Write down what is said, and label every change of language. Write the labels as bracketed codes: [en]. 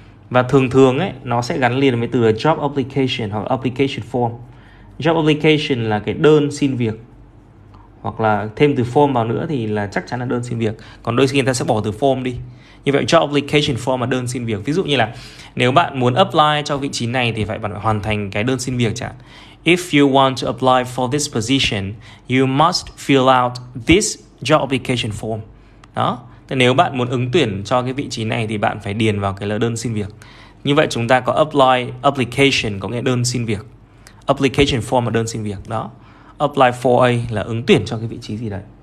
[vi] Và thường thường ấy, nó sẽ gắn liền với từ là job application hoặc application form. Job application là cái đơn xin việc. Hoặc là thêm từ form vào nữa thì là chắc chắn là đơn xin việc. Còn đôi khi người ta sẽ bỏ từ form đi. Như vậy job application form là đơn xin việc. Ví dụ như là nếu bạn muốn apply cho vị trí này thì bạn phải hoàn thành cái đơn xin việc chẳng. [en] If you want to apply for this position, you must fill out this job application form. [vi] Đó. Thế nếu bạn muốn ứng tuyển cho cái vị trí này thì bạn phải điền vào cái đơn xin việc. Như vậy chúng ta có apply application có nghĩa đơn xin việc. Application form là đơn xin việc. Đó. Apply for A là ứng tuyển cho cái vị trí gì đấy.